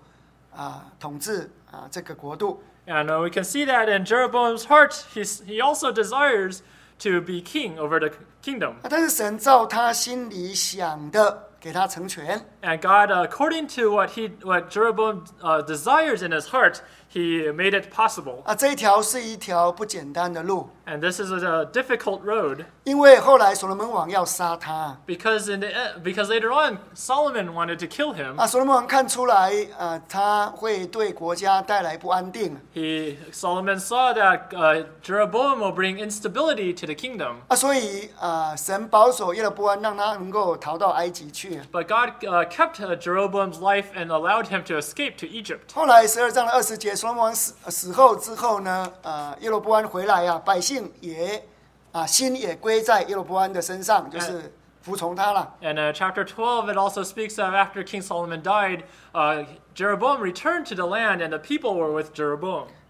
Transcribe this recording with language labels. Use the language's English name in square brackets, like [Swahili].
[Chinese] 我们这样看起来，耶罗波安他其实心里也想要能够统治这个国度。 [English] And we can see that in Jeroboam's heart, he also desires to be king over the kingdom. [Chinese] 但是神照他心里想的给他成全。 [English] And God, according to what Jeroboam desires in his heart, he made it possible. [Chinese] 这一条是一条不简单的路。 [English] And this is a difficult road. [Chinese] 因为后来所罗门王要杀他。 [English] Because later on, Solomon wanted to kill him. [Chinese] 所罗门王看出来, 他会对国家带来不安定。 [English] Solomon saw that Jeroboam will bring instability to the kingdom. [Chinese] 所以, 神保守耶罗波安, 让他能够逃到埃及去。 [English] But God kept Jeroboam's life and allowed him to escape to Egypt. [Chinese] 后来12章20节, 所罗门王死后之后呢, 耶罗波安回来啊, 百姓 心也归在耶罗波安的身上，就是服从他了。 [English] Chapter 12, it also speaks of after King Solomon died, Jeroboam returned to the land, and the people were with Jeroboam.